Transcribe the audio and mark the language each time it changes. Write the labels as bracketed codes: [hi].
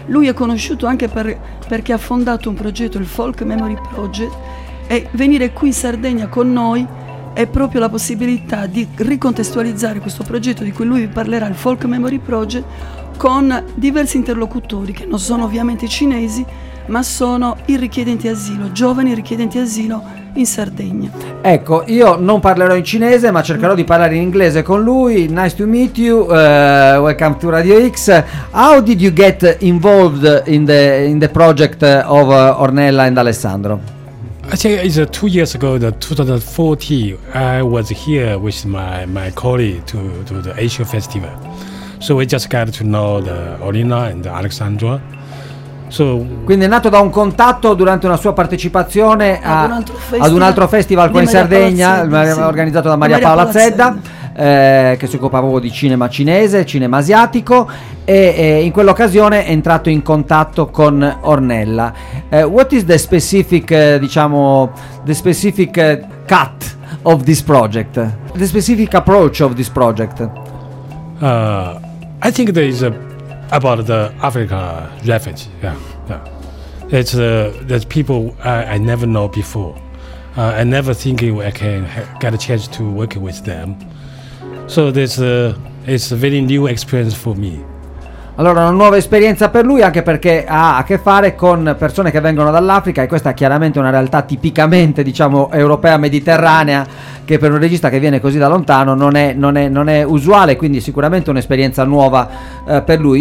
[it] Lui è conosciuto anche perché ha fondato un progetto, il Folk Memory Project, e venire qui in Sardegna con noi è proprio la possibilità di ricontestualizzare questo progetto di cui lui vi parlerà, il Folk Memory Project, con diversi interlocutori che non sono ovviamente cinesi, ma sono i richiedenti asilo, giovani richiedenti asilo in Sardegna. Ecco, io non parlerò in cinese, ma cercherò di parlare in inglese con lui. [en] Nice to meet you, welcome to Radio X. How did you get involved in the project of Ornella and Alessandro? I think it's 2 years ago, the 2014, I was here with my colleague to the Asia Festival. So we just got to know Ornella and Alessandro. [it] So, quindi è nato da un contatto durante una sua partecipazione ad un altro festival qua in Sardegna, organizzato da Maria Paola Zedda, che si occupava di cinema cinese, cinema asiatico, e in quell'occasione è entrato in contatto con Ornella. [en] What is the specific, diciamo, the specific cut of this project? The specific approach of this project? I think there is about the Africa refugee. Yeah. It's that people I never know before. I never think I can get a chance to work with them. So it's a very new experience for me. [it] Allora, una nuova esperienza per lui, anche perché ha a che fare con persone che vengono dall'Africa, e questa è chiaramente una realtà tipicamente, diciamo, europea mediterranea, che per un regista che viene così da lontano non è usuale, quindi sicuramente un'esperienza nuova per lui.